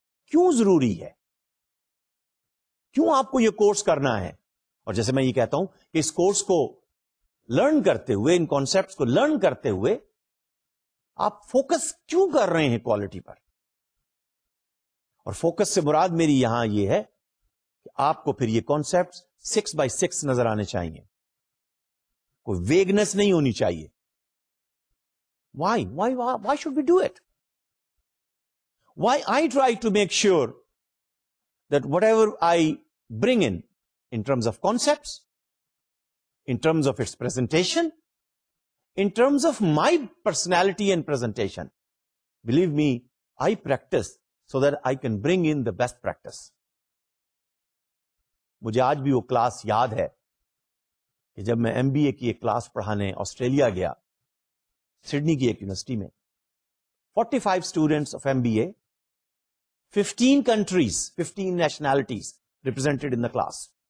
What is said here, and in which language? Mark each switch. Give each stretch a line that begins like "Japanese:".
Urdu: کیوں ضروری ہے، کیوں آپ کو یہ کورس کرنا ہے؟ اور جیسے میں یہ کہتا ہوں کہ اس کورس کو لرن کرتے ہوئے، ان کانسیپٹس کو لرن کرتے ہوئے، آپ فوکس کیوں کر رہے ہیں کوالٹی پر؟ اور فوکس سے مراد میری یہاں یہ ہے کہ آپ کو پھر یہ کانسیپٹ 6x6 نظر آنے چاہیے، کوئی ویگنس نہیں ہونی چاہیے.
English: Why should we do it? Why I try to make sure that whatever I bring in terms of concepts, in terms of its presentation, in terms of my personality and presentation, believe me, I practice so that I can bring in the best practice.
Urdu: مجھے آج بھی وہ class یاد ہے کہ جب میں M B اے کی ایک کلاس پڑھانے آسٹریلیا گیا سڈنی کی ایک یونیورسٹی میں
English: 45 students of M B A 15 countries 15 nationalities represented in the class